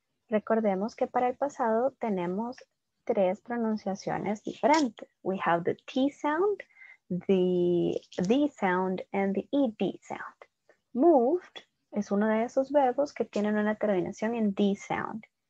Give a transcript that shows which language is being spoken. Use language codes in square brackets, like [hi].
[es] Recordemos que para el pasado tenemos tres pronunciaciones diferentes. [en] We have the T sound, the D sound, and the ED sound. [es] Moved es uno de esos verbos que tienen una terminación en D sound.